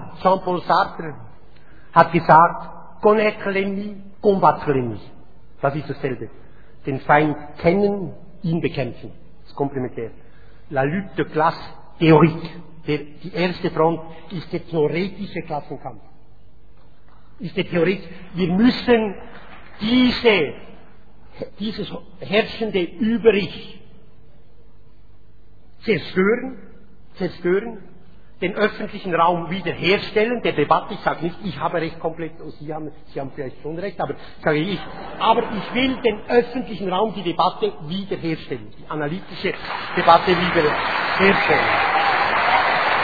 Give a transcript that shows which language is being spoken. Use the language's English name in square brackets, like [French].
[German] Jean-Paul Sartre hat gesagt, [French] connaître l'ennemi, combattre l'ennemi. [German] Das ist dasselbe. Den Feind kennen, ihn bekämpfen. Das ist komplementär. [French] La lutte de classe théorique. [German] Die erste Front ist der theoretische Klassenkampf. Ist der theoretische. Wir müssen dieses herrschende Überich zerstören, den öffentlichen Raum wiederherstellen, der Debatte, ich sage nicht, ich habe recht komplett, und Sie haben vielleicht schon recht, aber ich will den öffentlichen Raum, die Debatte wiederherstellen, die analytische Debatte wiederherstellen.